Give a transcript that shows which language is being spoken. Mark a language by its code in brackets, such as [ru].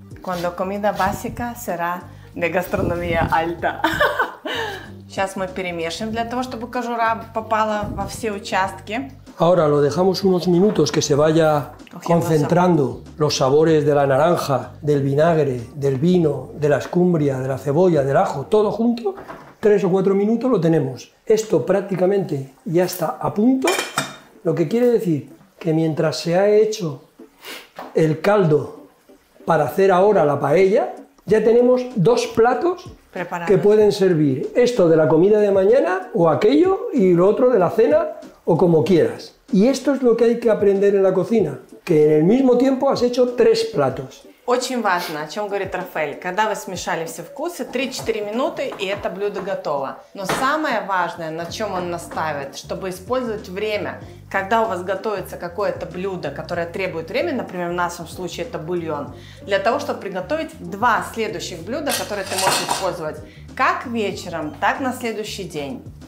[es] Cuando comida básica será de gastronomía alta. [ru] Сейчас мы перемешиваем для того, чтобы кожура попала во все участки. [es] Ahora lo dejamos unos minutos que se vaya concentrando los sabores de la naranja, del vinagre, del vino, de la escumbria, de la cebolla, del ajo, todo junto. 3 o 4 minutos lo tenemos. Esto prácticamente ya está a punto. Lo que quiere decir que mientras se ha hecho el caldo para hacer ahora la paella, ya tenemos 2 platos preparados que pueden servir. Esto de la comida de mañana o aquello y lo otro de la cena. O como quieras. Y esto es lo que hay que aprender en la cocina, que en el mismo tiempo has hecho 3 platos. [ru] Очень важно, о чем говорит Рафаэль, когда вы смешали все вкусы, 3-4 минуты, и это блюдо готово. Но самое важное, на чем он настаивает, чтобы использовать время, когда у вас готовится какое-то блюдо, которое требует времени, например, в нашем случае это бульон, для того, чтобы приготовить 2 следующих блюда, которые ты можешь использовать как вечером, так на следующий день.